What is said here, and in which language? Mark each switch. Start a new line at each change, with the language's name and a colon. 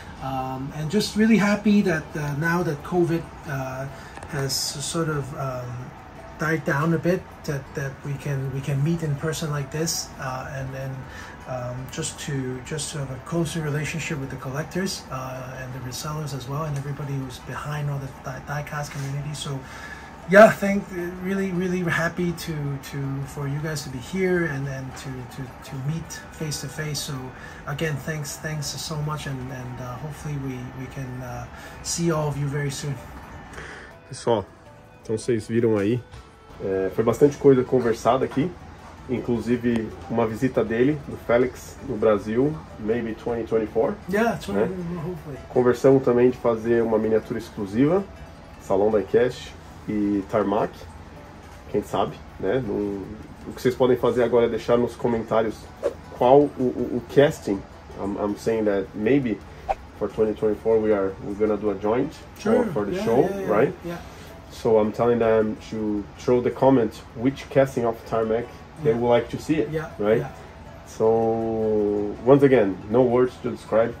English: And just really happy that now that COVID has sort of died down a bit, that we can meet in person like this, and then just to have a closer relationship with the collectors and the resellers as well, and everybody who's behind all the diecast community. So yeah, thank really really happy to for you guys to be here and to meet face to face. So again, thanks so much, and hopefully we can see all of you very soon.
Portuguese: Pessoal, então vocês viram aí, foi bastante coisa conversada aqui. Inclusive uma visita dele, do Félix, no Brasil,
English: maybe
Portuguese: 2024.
English: Yeah, 2024, né? Hopefully.
Portuguese: Conversamos também de fazer uma miniatura exclusiva, Salão da iCash e Tarmac, quem sabe, né? O que vocês podem fazer agora é deixar nos comentários qual o casting.
English: I'm saying that maybe for 2024 we're gonna do a joint, sure. for the yeah, show, yeah, yeah, right? Yeah. So I'm telling them to throw the comment which casting of Tarmac. They yeah. would like to see it, yeah, right? Yeah. So, once again, no words to describe.